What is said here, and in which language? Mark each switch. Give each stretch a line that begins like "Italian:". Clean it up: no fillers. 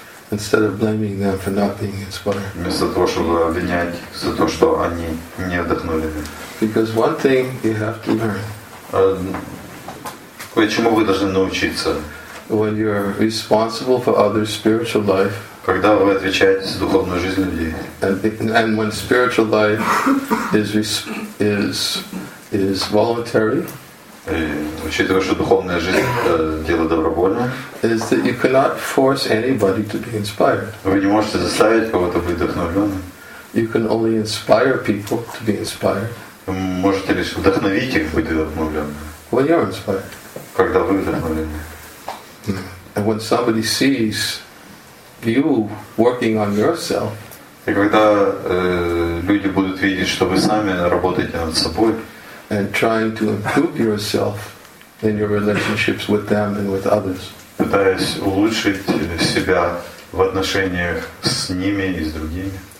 English: Instead of blaming them for not being inspired.
Russian: Вместо того, чтобы обвинять за то, что они не вдохновлены.
English: Because one thing you have to learn.
Russian: Чему вы должны научиться?
English: When you are responsible for others' spiritual life.
Russian: Когда вы отвечаете за духовную жизнь людей.
English: And when spiritual life is voluntary.
Russian: Учитывая, что духовная жизнь дело добровольное.
English: Is that you cannot force anybody to be inspired.
Russian: Вы не можете заставить кого-то быть вдохновленным.
English: You can only inspire people to be inspired.
Russian: Вы можете лишь вдохновить их быть вдохновленным.
English: When you're inspired.
Russian: Когда вы вдохновлены.
English: And when somebody sees you working on yourself.
Russian: И когда люди будут видеть, что вы сами работаете над собой.
English: And trying to improve yourself in your relationships with them and with others.
Russian: Пытаясь улучшить себя в отношениях с ними и с другими.